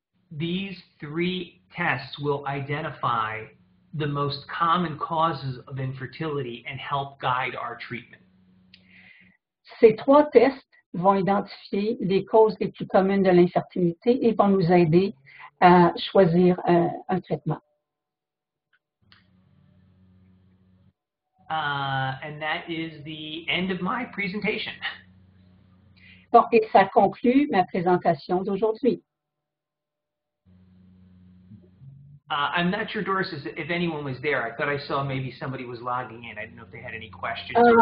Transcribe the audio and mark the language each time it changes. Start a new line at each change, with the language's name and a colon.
English: These three tests will identify the most common causes of infertility and help guide our treatment.
French: Ces trois tests vont identifier les causes les plus communes de l'infertilité et vont nous aider à choisir un traitement.
English: And that is the end of my presentation.
French: Bon, et ça conclut ma présentation d'aujourd'hui.
English: I'm not sure, Doris, if anyone was there. I thought I saw maybe somebody was logging in. I didn't know if they had any questions.